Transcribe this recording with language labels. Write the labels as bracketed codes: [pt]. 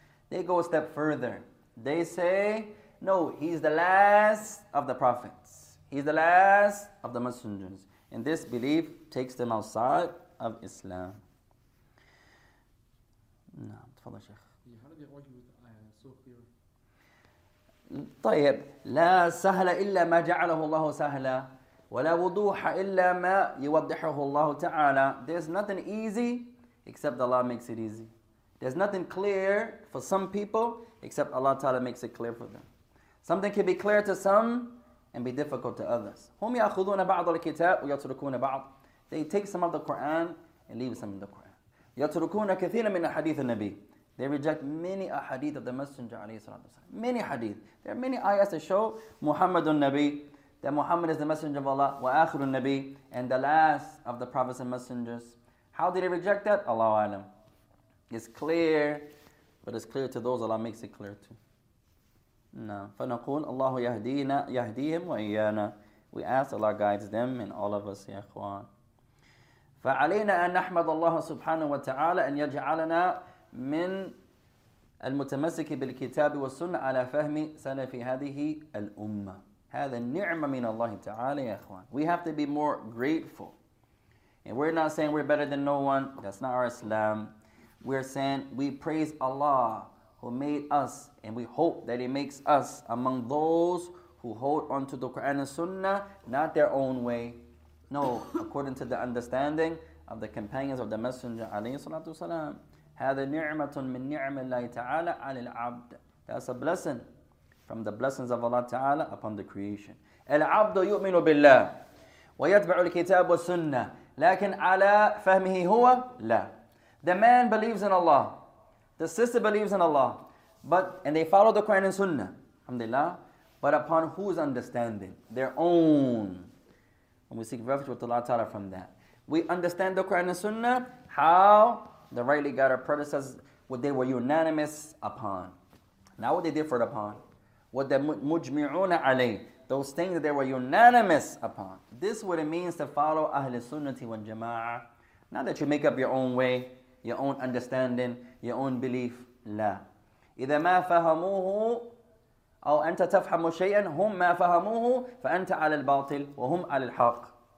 [en] They go a step further. They say, no, he's the last of the prophets. He's the last of the messengers. And this belief takes them outside of Islam. No, [ar] تفضل شيخ. [en] You heard the argument I saw [ar] طيب لا سهل إلا ما جعله الله سهلا ولا وضوح إلا ما يوضحه الله تعالى. [en] There's nothing easy except Allah makes it easy. There's nothing clear for some people except Allah Ta'ala makes it clear for them. Something can be clear to some and be difficult to others. [ar] هم يأخذون بعض الكتاب ويتركون بعض. [en] They take some of the Quran and leave some in the Quran. [ar] يتركون كثيرا من حديث النبي. [en] They reject many a hadith of the Messenger [ar] عليه الصلاة والسلام. [en] Many hadith. There are many ayahs that show Muhammad النبي, that Muhammad is the Messenger of Allah, [ar] وآخر النبي, [en] and the last of the prophets and messengers. How did they reject that? Allahu A'lam. It's clear, but it's clear to those Allah makes it clear to. No. [ar] فنقول الله يهدينا يهديهم وإيانا. [en] We ask Allah guides them and all of us, [ar] يا إخوان. فعلينا أن نحمد الله سبحانه وتعالى أن يجعلنا من المتمسك بالكتاب والسنة على فهم سلف هذه الأمة. هذا النعمة من الله تعالى يا إخوان. [en] We have to be more grateful. And we're not saying we're better than no one. That's not our Islam. We're saying we praise Allah who made us, and we hope that He makes us among those who hold on to the Quran and Sunnah, not their own way. No, according to the understanding of the companions of the Messenger [ar] عليه الصلاة والسلام. هذا نعمة من نعم الله تعالى على العبد. [en] That's a blessing from the blessings of Allah Ta'ala upon the creation. [ar] العبد يؤمن بالله ويتبع الكتاب والسنة لكن على فهمه هو لا. [en] The man believes in Allah. The sister believes in Allah. And they follow the Quran and Sunnah. Alhamdulillah. But upon whose understanding? Their own. And we seek refuge with Allah Ta'ala from that. We understand the Quran and Sunnah. How? The rightly guided our predecessors, what they were unanimous upon. Not what they differed upon. What the mujmi'una alayh. Those things that they were unanimous upon. This is what it means to follow Ahl Sunnah wal Jama'ah. Not that you make up your own way. Your own understanding, your own belief, لا. [ar] إذا ما فهموه أو أنت تفهم شيئا هم ما فهموه فأنت على الباطل وهم على الحق.